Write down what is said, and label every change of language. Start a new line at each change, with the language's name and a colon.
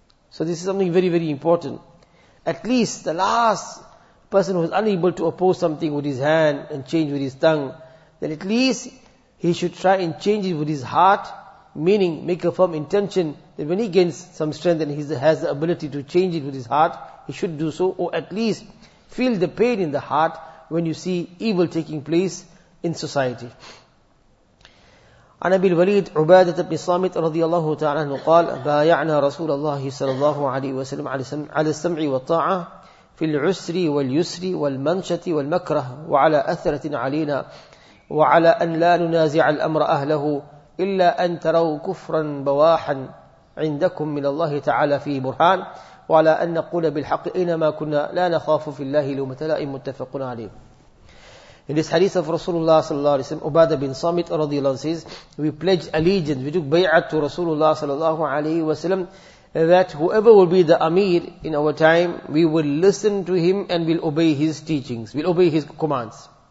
English: So this is something very, very important. At least the last person who is unable to oppose something with his hand and change with his tongue, then at least he should try and change it with his heart, meaning make a firm intention that when he gains some strength and he has the ability to change it with his heart, he should do so, or at least feel the pain in the heart when you see evil taking place in society.
Arabic: عن أبي الوليد عبادة بن صامت رضي الله تعالى عنه قال بايعنا رسول الله صلى الله عليه وسلم على السمع والطاعة في العسر واليسر والمنشة والمكره وعلى أثرة علينا وعلى أن لا ننازع الأمر أهله إلا أن تروا كفرا بواحا عندكم من الله تعالى فيه برهان وعلى أن نقول بالحق إنما كنا لا نخاف في الله لومة لائم. متفق عليه.
English: In this hadith of Rasulullah sallallahu alayhi wa sallam, Ubadah bin Samit radiallahu anhu says, we pledged allegiance, we took bay'at to Rasulullah sallallahu alayhi wa sallam, that whoever will be the Amir in our time, we will listen to him and we'll obey his teachings, we'll obey his commands.